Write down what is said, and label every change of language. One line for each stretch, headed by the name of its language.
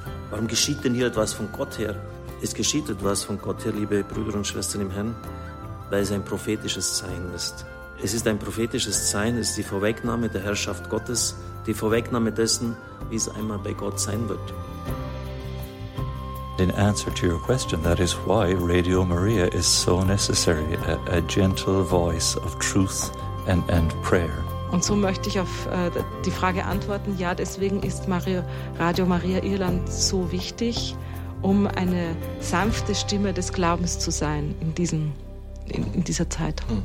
German: Warum geschieht denn hier etwas von Gott her? Es geschieht etwas von Gott her, liebe Brüder und Schwestern im Herrn, weil es ein prophetisches Zeichen ist. Es ist ein prophetisches Zeichen, es ist die Vorwegnahme der Herrschaft Gottes, die Vorwegnahme dessen, wie es einmal bei Gott sein wird.
English: In answer to your question, that is why Radio Maria is so necessary, a gentle voice of truth and prayer.
German: Und so möchte ich auf die Frage antworten, ja, deswegen ist Radio Maria Irland so wichtig, um eine sanfte Stimme des Glaubens zu sein in dieser Zeit.